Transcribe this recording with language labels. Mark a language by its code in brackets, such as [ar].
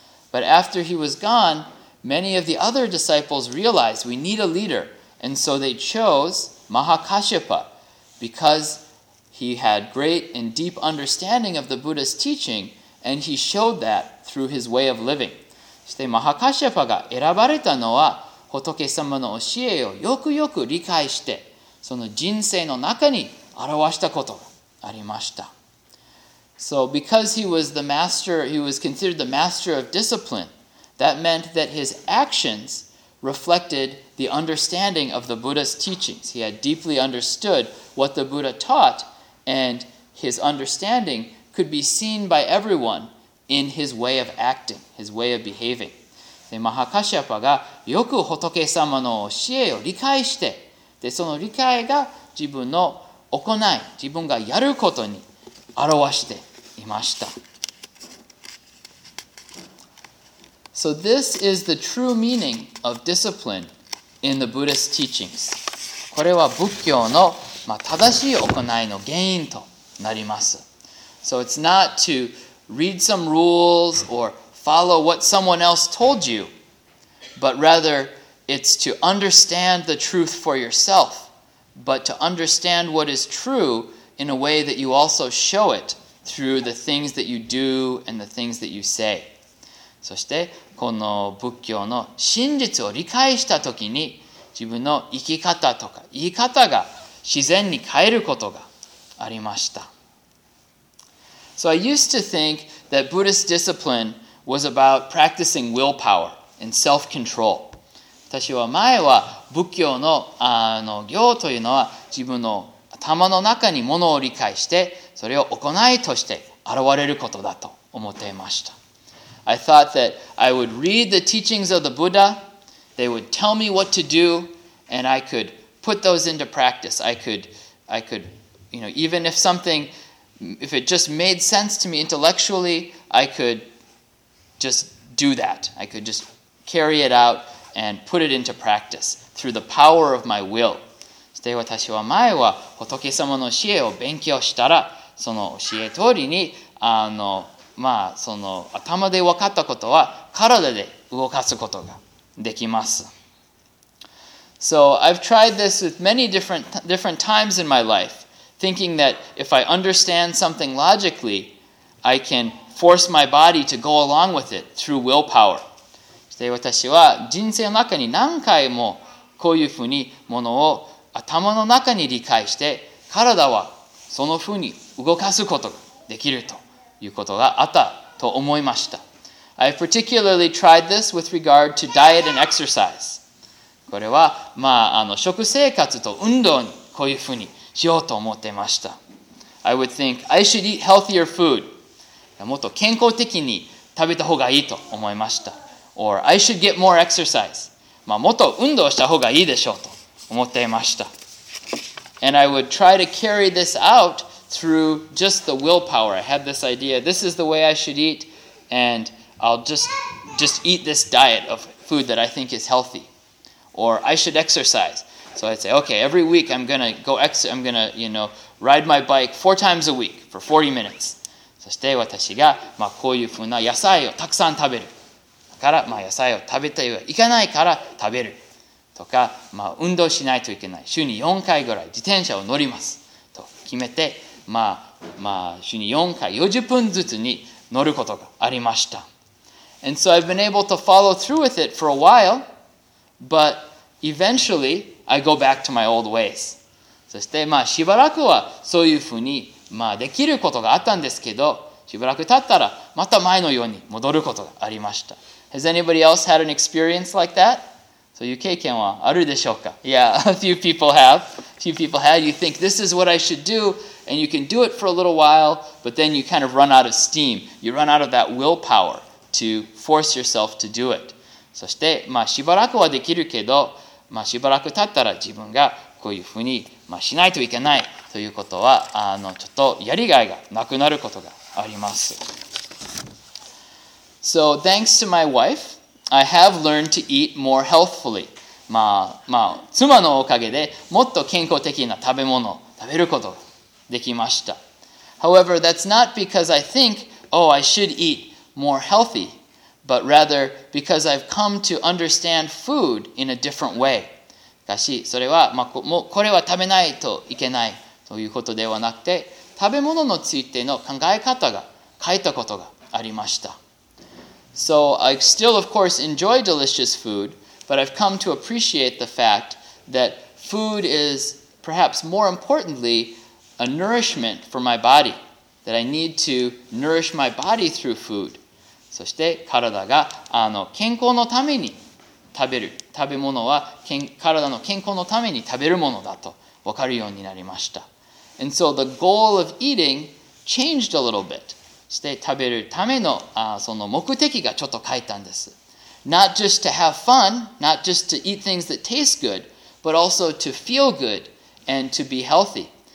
[en] But after he was goneMany of the other disciples realized we need a leader, and so they chose Mahakashyapa because he had great and deep understanding of the Buddha's teaching, and he showed that through his way of living. [ja] そして、マハカシャパが選ばれたのは、仏様の教えをよくよく理解して、その人生の中に表したことがありました。 [en] So because he was the master, he was considered the master of discipline,That meant that his actions reflected the understanding of the Buddha's teachings. He had deeply understood what the Buddha taught, and his understanding could be seen by everyone in his way of acting, his way of behaving. [ja] で、マハカシャパがよく仏様の教えを理解して、で、その理解が自分の行い、自分がやることに表していました。 [en] So this is the true meaning of discipline in the Buddhist teachings. [ja] これは仏教の、まあ、正しい行いの原因となります。 [en] So it's not to read some rules or follow what someone else told you, but rather it's to understand the truth for yourself, but to understand what is true in a way that you also show it through the things that you do and the things that you say. [ja] そしてこの仏教の真実を理解したときに自分の生き方とか言い方が自然に変えることがありました。 [en] So I used to think that Buddhist discipline was about practicing willpower and self-control. [ja] 私は前は仏教の行というのは自分の頭の中にものを理解してそれを行いとして現れることだと思っていました。 [en] I thought that I would read the teachings of the Buddha, they would tell me what to do, and I could put those into practice. I could, you know, even if something, if it just made sense to me intellectually, I could just do that. I could just carry it out and put it into practice through the power of my will. [ja] で、私は前は仏様の教えを勉強したら、その教え通りに、まあ、その頭で分かったことは体で動かすことができます。 [en] So I've tried this with many different times in my life, thinking that if I understand something logically, I can force my body to go along with it through willpower. [ja] で、私は人生の中に何回もこういうふうにものを頭の中に理解して、体はそのふうに動かすことができると。いうことがあったと思いました。 [en] I particularly tried this with regard to diet and exercise. [ja] これは、まあ、食生活と運動にこういうふうにしようと思ってました。 [en] I would think, I should eat healthier food. [ja] もっと健康的に食べた方がいいと思いました。 [en] Or, I should get more exercise. [ja] まあ、もっと運動した方がいいでしょうと思っていました。 [en] And I would try to carry this out through just the willpower. I had this idea, this is the way I should eat, and I'll just eat this diet of food that I think is healthy. Or I should exercise. So I'd say, okay, every week I'm gonna ride my bike 4 times a week for 40 minutes. [ja] そして私がまあこういうふうな野菜をたくさん食べる。だからまあ野菜を食べてはいかないから食べる。とかまあ運動しないといけない。週に4回ぐらい自転車を乗ります。と決めて、まあ週に4回40分ずつに乗ることがありました。 [en] And so I've been able to follow through with it for a while, but eventually I go back to my old ways. [ja] そしてまあしばらくはそういうふうにまあできることがあったんですけど、しばらく経ったらまた前のように戻ることがありました。 [en] Has anybody else had an experience like that? [ja] そういう経験はあるでしょうか? [en] Yeah, a few people have. A few people have. You think this is what I should do, and you can do it for a little while, but then you kind of run out of steam. You run out of that willpower to force yourself to do it. [ja] そしてまあしばらくはできるけど、まあしばらく経ったら自分がこういうふうにまあしないといけない。ということはちょっとやりがいがなくなることがあります。 [en] So, thanks to my wife, I have learned to eat more healthfully. [ja] まあ、妻のおかげでもっと健康的な食べ物を食べることができました。 [en] However, that's not because I think, oh, I should eat more healthy, but rather because I've come to understand food in a different way. [ja] しかし、それは、まあ、これは食べないといけない。ということではなくて、食べ物についての考え方が変えたことがありました。 [en] So, I still, of course, enjoy delicious food, but I've come to appreciate the fact that food is, perhaps more importantly, a nourishment for my body, that I need to nourish my body through food. [ja] そして、体が健康のために食べる。食べ物は体の健康のために食べるものだと分かるようになりました。 [en] And so the goal of eating changed a little bit. [ja] して食べるための、その目的がちょっと変えたんです。 [en] Not just to have fun, not just to eat things that taste good, but also to feel good and to be healthy.